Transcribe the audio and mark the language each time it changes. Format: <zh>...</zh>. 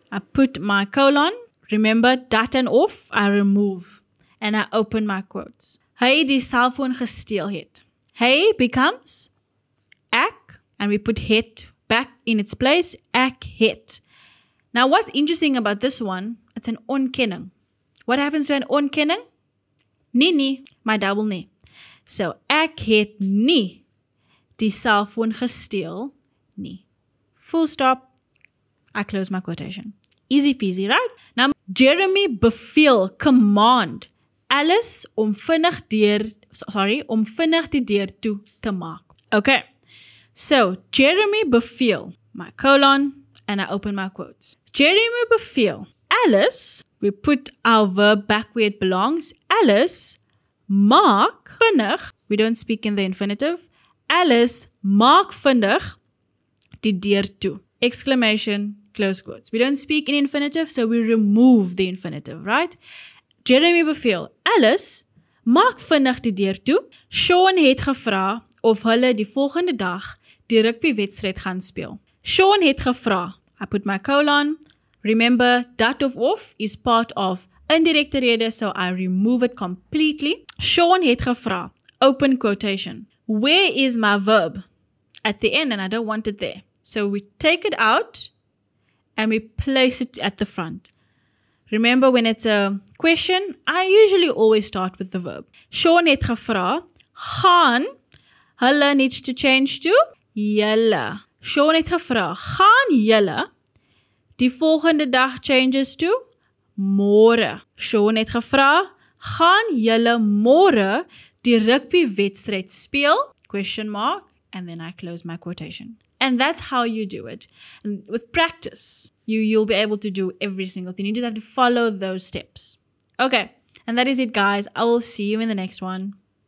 <en>I put my colon, remember dat and off, I remove, and I open my quotes.</en> <af>Hy die selfoon gesteel het.</af> <en>Hy becomes ek, and we put het back in its place, ek het. Now, what's interesting about this one, it's an onkenning. What happens to an onkenning?</en> <af>Nie, nie,</af> <en>my double nie.</en> <af>So, ek het nie die selfoon gesteel nie.</af> <en>Full stop, I close my quotation. Easy peasy, right?</en> <af>Now, Jeremy beveel,</af> <en>command,</en> <af>Alice om vinnig die deur toe te maak.</af> <en>Okay, so Jeremy beveel, my colon, and I open my quotes.</en> <af>Jeremy beveel.</af> <en>Alice, we put our verb back where it belongs. Alice,</en> <af>maak vinnig.</af> <en>We don't speak in the infinitive.</en> <af>Alice, maak vinnig die deur toe.</af> <en>Exclamation, close quotes. We don't speak in infinitive, so we remove the infinitive, right?</en> <af>Jeremy beveel. Alice, maak vinnig die deur toe. Sean het gevra of hulle die volgende dag die rugbywedstrijd gaan speel. Sean het gevra.</af> <en>I put my colon. Remember, dat of off is part of indirekte rede, so I remove it completely.</en> <af>Sean het gevra.</af> <en>Open quotation. Where is my verb? At the end, and I don't want it there. So we take it out, and we place it at the front. Remember, when it's a question, I usually always start with the verb.</en> <af>Sean het gevra. Gaan. Hulle</af> <en>needs to change to</en> <af>julle. Sean het gevra. Gaan julle. Die volgende dag</af> <en>changes to</en> <af>môre. Sean het gevra, gaan julle môre die rugby wedstrijd speel?</af> <en>Question mark. and then I close my quotation. And that's how you do it. And with practice, you'll be able to do every single thing. You just have to follow those steps. Okay, and that is it, guys. I will see you in the next one.</en>